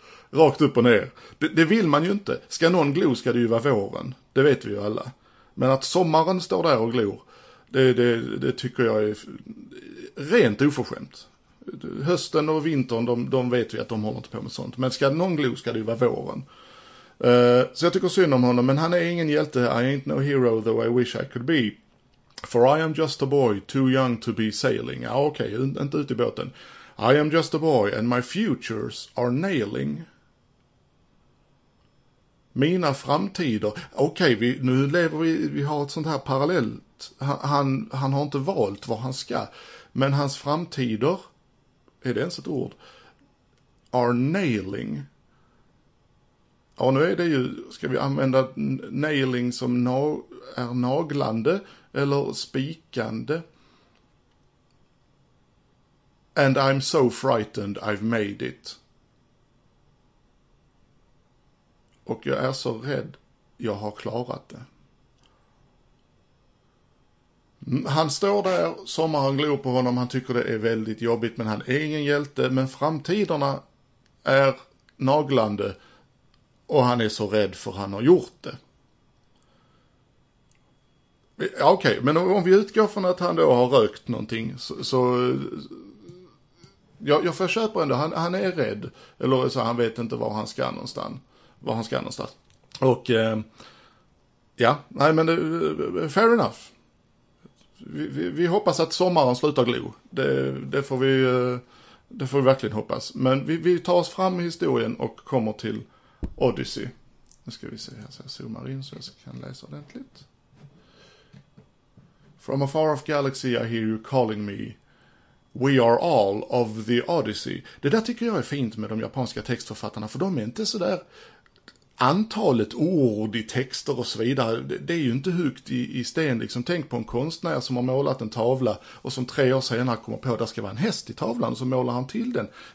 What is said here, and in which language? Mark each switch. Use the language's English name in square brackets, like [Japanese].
[Swedish] Rakt upp och ner. Det vill man ju inte. Ska någon glo ska det ju vara våren. Det vet vi ju alla. Men att sommaren står där och glor, det tycker jag är rent oförskämt. Hösten och vintern, de vet ju att de håller inte på med sånt. Men ska någon glo ska det ju vara våren. Så jag tycker synd om honom, men han är ingen hjälte. [English] I ain't no hero though I wish I could be. For I am just a boy, too young to be sailing. [Swedish] Ah, okej, inte ute i båten. [English] I am just a boy and my futures are nailing. [Swedish] Mina framtider. Okej, vi har ett sånt här parallellt. Han har inte valt vad han ska. Men hans framtider, är det ens ett ord? [English] Are nailing. [Swedish] Ja, nu är det ju, ska vi använda nailing som är naglande eller spikande? [English] And I'm so frightened I've made it. [Swedish] Och jag är så rädd jag har klarat det. Han står där, sommaren glor på honom, han tycker det är väldigt jobbigt, men han är ingen hjälte. Men framtiderna är naglande. Och han är så rädd för han har gjort det. Ja, okej, men om vi utgår från att han då har rökt någonting. Så jag försöker ändå. Han är rädd. Eller så han vet inte var han ska någonstans. Och Ja. Nej, men [English] fair enough. [Swedish] Vi hoppas att sommaren slutar glo. Det får vi verkligen hoppas. Men vi tar oss fram i historien och kommer till Odyssey. Nu ska vi se här, så jag zoomar in så jag kan läsa ordentligt. [English] From a far off galaxy I hear you calling me. We are all of the Odyssey. [Swedish] Det där tycker jag är fint med de japanska textförfattarna, för de är inte så där. Antalet ord i texter och så vidare, det är ju inte hukt i sten. Liksom, tänk på en konstnär som har målat en tavla och som 3 år senare kommer på att det ska vara en häst i tavlan och så målar han till den.